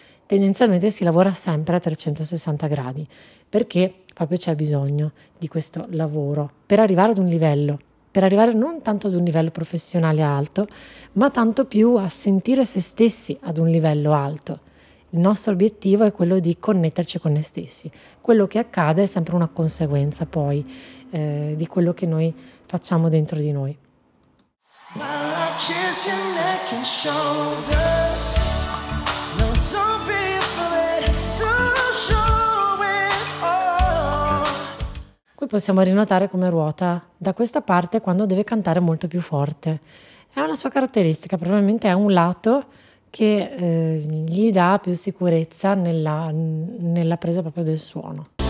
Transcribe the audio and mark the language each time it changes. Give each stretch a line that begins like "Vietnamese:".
Italian: Tendenzialmente si lavora sempre a 360 gradi, perché proprio c'è bisogno di questo lavoro per arrivare ad un livello, per arrivare non tanto ad un livello professionale alto, ma tanto più a sentire se stessi ad un livello alto. Il nostro obiettivo è quello di connetterci con noi stessi. Quello che accade è sempre una conseguenza poi di quello che noi facciamo dentro di noi.
English: While I kiss your neck and shoulders, no, don't be afraid to show it all.
Italian: Qui possiamo rinotare come ruota da questa parte quando deve cantare molto più forte. È una sua caratteristica, probabilmente è un lato che gli dà più sicurezza nella presa proprio del suono.